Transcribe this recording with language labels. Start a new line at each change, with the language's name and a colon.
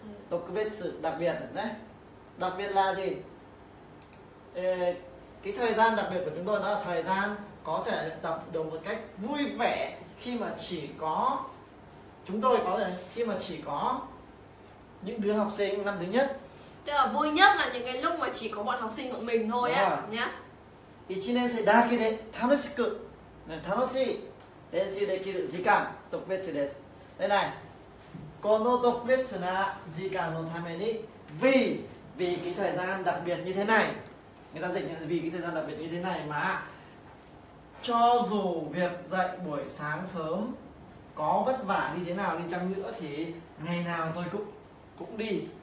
Vietnamese: Tôi biết sự đặc biệt đấy. Đặc biệt là gì? Ê, cái thời gian đặc biệt của chúng tôi đó là thời gian có thể luyện tập được một cách vui vẻ khi mà chỉ có chúng tôi có rồi, khi mà chỉ có những đứa học sinh năm thứ nhất. Tức là vui nhất là những cái lúc mà chỉ có bọn học sinh bọn mình thôi á nhá.
Japanese: 1年生だけで 楽しく 楽しい練習できる時間 特別です.
Vietnamese: Đây này.
Japanese: この特別な時間のために
Vietnamese: vì cái thời gian đặc biệt như thế này. Người ta dịch vì cái thời gian đặc biệt như thế này mà cho dù việc dạy buổi sáng sớm có vất vả như thế nào đi chăng nữa thì ngày nào tôi cũng đi.